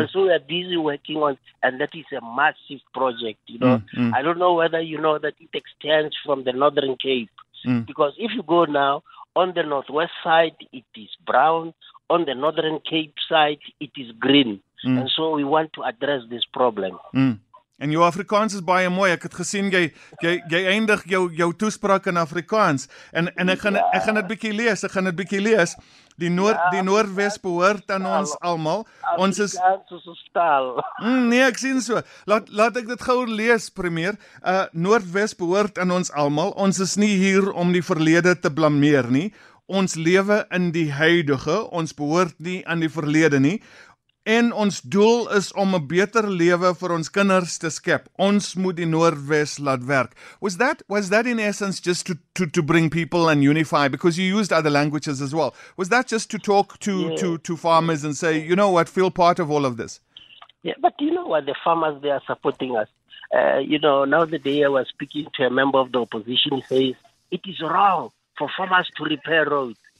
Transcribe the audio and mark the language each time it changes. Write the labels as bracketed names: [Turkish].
[English] And so we are busy working on, and that is a massive project, you know. Mm. Mm. I don't know whether you know that it extends from the Northern Cape. Mm. Because if you go now, on the northwest side, it is brown. On the Northern Cape side, it is green. Mm. And so we want to address this problem. [Afrikaans] Mm. En jou Afrikaans is baie mooi. Ek het gesien jy eindig jou toespraak in Afrikaans. En ek gaan dit bietjie lees. Ek gaan dit bietjie lees. Die Noordwes behoort aan ons almal. Ons is taal. Nee, ek sien so. Laat ek dit gou lees, premier. Noordwes behoort aan ons almal. Ons is nie hier om die verlede te blameer nie. Ons lewe in die huidige. Ons behoort nie aan die verlede nie. En ons doel is om 'n beter lewe vir ons kinders te skep. Ons moet die Noordwes laat werk. [English] Was that in essence just to bring people and unify? Because you used other languages as well. Was that just to talk to farmers and say, you know what, feel part of all of this? Yeah, but you know what, the farmers, they are supporting us. You know, now the day I was speaking to a member of the opposition, he says, it is wrong for farmers to repair roads.